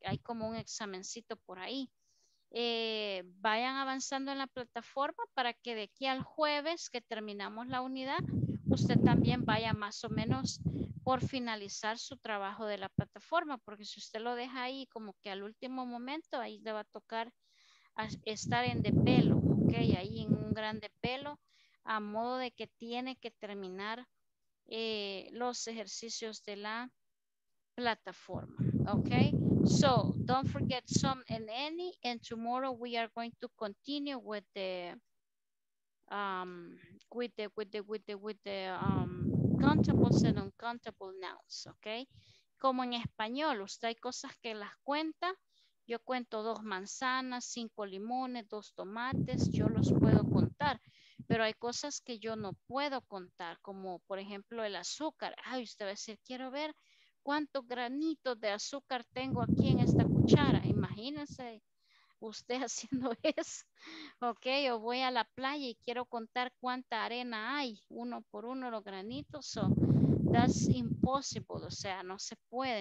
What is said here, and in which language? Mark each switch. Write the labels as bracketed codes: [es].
[es] Hay como un examencito por ahí. Vayan avanzando en la plataforma para que de aquí al jueves que terminamos la unidad, usted también vaya más o menos por finalizar su trabajo de la plataforma, porque si usted lo deja ahí como que al último momento, ahí le va a tocar estar en depelo, ok, ahí en un gran depelo, a modo de que tiene que terminar los ejercicios de la plataforma, ok. [en] So, don't forget some and any, and tomorrow we are going to continue with the countables and uncountable nouns, ¿ok? [es] Como en español, usted hay cosas que las cuenta, yo cuento 2 manzanas, 5 limones, 2 tomates, yo los puedo contar, pero hay cosas que yo no puedo contar, como por ejemplo el azúcar. Ay, usted va a decir, quiero ver cuántos granitos de azúcar tengo aquí en esta cuchara, imagínense usted haciendo eso, ok, o voy a la playa y quiero contar cuánta arena hay, uno por uno los granitos, [en] so that's impossible, [es] o sea, no se puede.